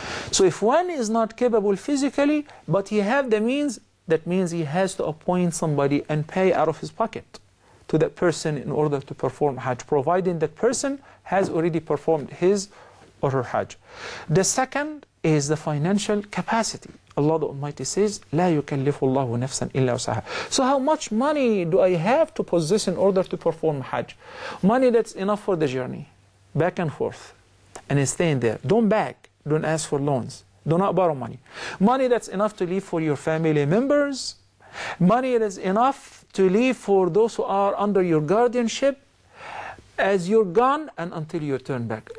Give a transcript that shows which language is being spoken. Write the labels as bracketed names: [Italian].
[English] So if one is not capable physically, but he have the means, that means he has to appoint somebody and pay out of his pocket to that person in order to perform Hajj, providing that person has already performed his or her Hajj. The second is the financial capacity. Allah the Almighty says, [Arabic] لا يكلف الله نفسا إلا وسعها. [English] So how much money do I have to possess in order to perform Hajj? Money that's enough for the journey, back and forth, and staying there. Don't beg, don't ask for loans, do not borrow money. Money that's enough to leave for your family members, money that is enough to leave for those who are under your guardianship, as you're gone and until you turn back.